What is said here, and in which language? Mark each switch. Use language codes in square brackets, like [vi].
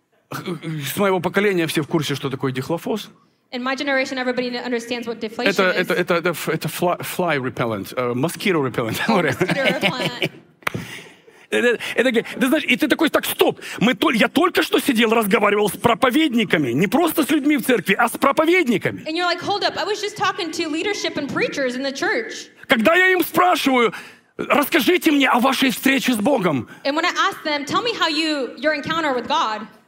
[ru] С моего поколения все в курсе, что такое дихлофос. [en] In my generation, everybody understands what deflation is. Это fly repellent, mosquito repellent. Mosquito repellent. [ru] Это значит, и ты такой, так, стоп, я только что сидел, разговаривал с проповедниками, не просто с людьми в церкви, а с проповедниками. [en] And you're like, hold up, I was just talking to leadership and preachers in the church. [ru] Когда я им спрашиваю, расскажите мне о вашей встрече с Богом. [en] And when I ask them, tell me how your encounter with God.